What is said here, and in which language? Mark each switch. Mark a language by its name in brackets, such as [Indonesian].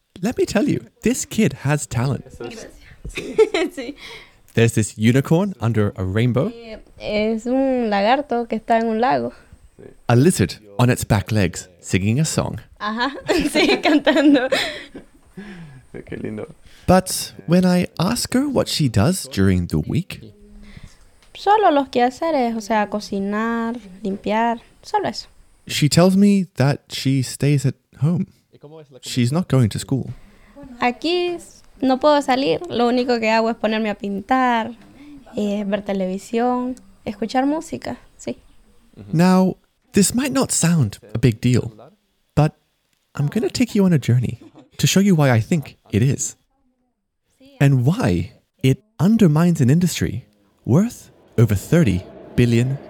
[English] Let me tell you, this kid has talent. There's this unicorn under a rainbow. [Spanish] Es un lagarto que está en un lago. [English] A lizard on its back legs, singing a song. [Spanish] Ajá, cantando. Qué lindo. [English] But when I ask her what she does during the week, [Spanish] solo los quehaceres, o sea, cocinar, limpiar, solo eso. [English] She tells me that she stays at home. She's not going to school. [Spanish] Aquí no puedo salir. Lo único que hago es ponerme a pintar, ver televisión, escuchar música, sí. [English] Now, this might not sound a big deal, but I'm going to take you on a journey to show you why I think it is. And why it undermines an industry worth over $30 billion.